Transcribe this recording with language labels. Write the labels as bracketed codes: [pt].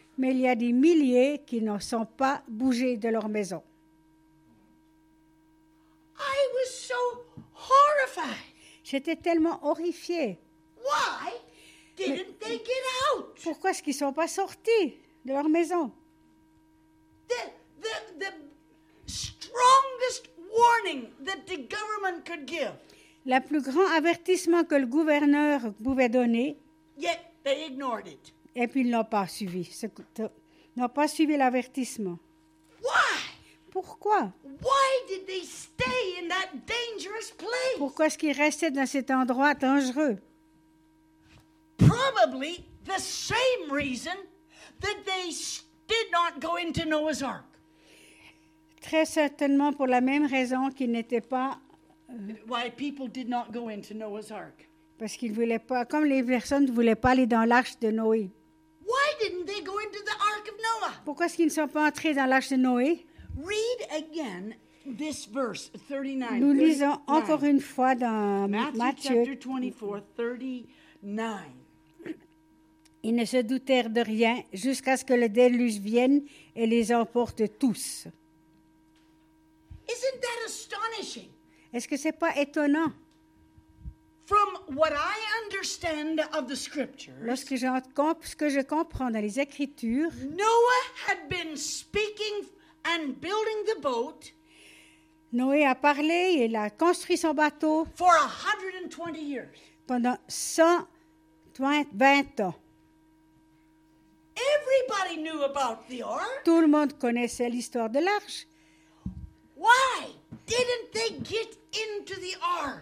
[fr] Mais il y a des milliers qui ne sont pas bougés de leur maison. [en] I was so horrified. [fr] J'étais tellement horrifiée. [en] Why didn't they get out? [fr] Pourquoi est-ce qu'ils ne sont pas sortis de leur maison? [en] The strongest warning that the government could give. [fr] Le plus grand avertissement que le gouverneur pouvait donner. [en] Yet they ignored it. [fr] Et puis ils n'ont pas suivi. N'ont pas suivi l'avertissement. [en] Why? [fr] Pourquoi? [en] Why did they stay in that dangerous place? [fr] Pourquoi est-ce qu'ils restaient dans cet endroit dangereux? [en] Probably the same reason that they did not go into Noah's Ark. [fr] Très certainement pour la même raison qu'ils n'étaient pas. [en] Why people did not go into Noah's Ark? [fr] Parce qu'ils voulaient pas, comme les personnes ne voulaient pas aller dans l'arche de Noé. [en] Why didn't they go into the Ark of Noah? [fr] Pourquoi est-ce qu'ils ne sont pas entrés dans l'arche de Noé? [en] Read again this verse 39. [fr] Nous lisons encore une fois dans [en] Matthieu chapter 24, 39. [fr] Ils ne se doutèrent de rien jusqu'à ce que le déluge vienne et les emporte tous. [en] Isn't that astonishing? [fr] Est-ce que ce n'est pas étonnant? [en] From what I understand of the scriptures, [fr] lorsque ce que je comprends dans les Écritures, [en] Noah had been speaking and building the boat. [fr] Noé a parlé et il a construit son bateau [en] for 120 years. [fr] Pendant 120 ans. [en] Everybody knew about the ark. [fr] Tout le monde connaissait l'histoire de l'arche. [en] Why didn't they get into the ark?